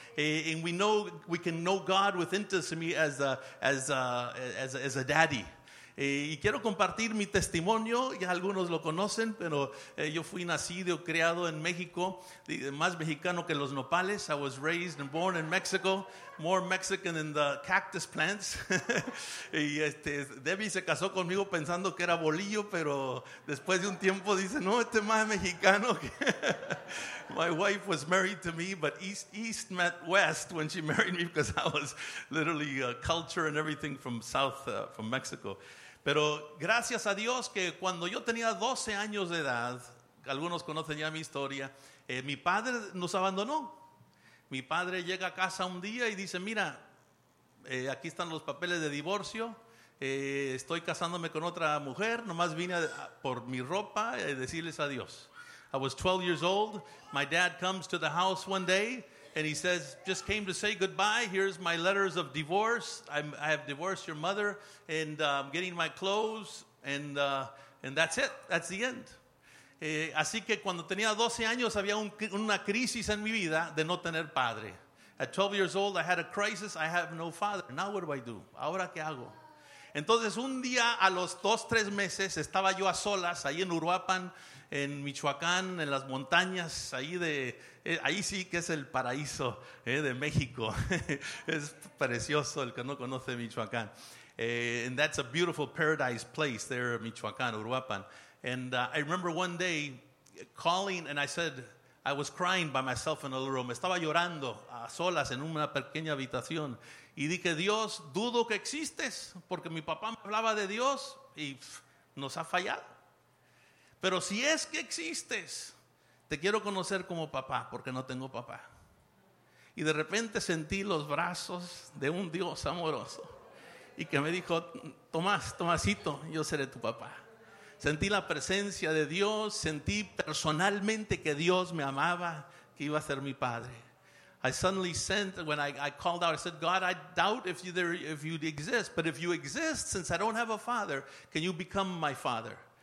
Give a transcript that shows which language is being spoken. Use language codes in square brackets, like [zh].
[en] And we can know God with intimacy as a daddy. [es] Y quiero compartir mi testimonio, ya algunos lo conocen, pero yo fui nacido, criado en México, más mexicano que los nopales. [en] I was raised and born in Mexico, more Mexican than the cactus plants. [es] Y Debbie se casó conmigo pensando que era bolillo, pero después de un tiempo dice, no, este más mexicano. [en] My wife was married to me, but East met West when she married me, because I was literally culture and everything from South, from Mexico. [es] Pero gracias a Dios que cuando yo tenía 12 años de edad, algunos conocen ya mi historia, mi padre nos abandonó. Mi padre llega a casa un día y dice, mira, aquí están los papeles de divorcio, estoy casándome con otra mujer, nomás vine por mi ropa y decirles adiós. [en] I was 12 years old, my dad comes to the house one day, and he says, just came to say goodbye. Here's my letters of divorce. I have divorced your mother, and I'm getting my clothes, and that's it. That's the end. [es] Así que cuando tenía 12 años, había una crisis en mi vida de no tener padre. [en] At 12 years old, I had a crisis. I have no father. Now what do I do? [es] ¿Ahora qué hago? Entonces, un día a los 2-3 meses, estaba yo a solas, ahí en Uruapan, en Michoacán, en las montañas, ahí sí que es el paraíso de México. Es precioso el que no conoce Michoacán. [en] And that's a beautiful paradise place there, Michoacán, Uruapan. And I remember one day calling, and I said, I was crying by myself in a little room. [es] Estaba llorando a solas en una pequeña habitación. Y dije, Dios, dudo que existes, porque mi papá me hablaba de Dios y nos ha fallado. Pero si es que existes, te quiero conocer como papá, porque no tengo papá. Y de repente sentí los brazos de un Dios amoroso y que me dijo, Tomás, Tomasito, yo seré tu papá. Sentí la presencia de Dios, sentí personalmente que Dios me amaba, que iba a ser mi padre. [en] I suddenly sent, when I called out, I said, God, I doubt if you there, if you exist, but if you exist, since I don't have a father, can you become my father?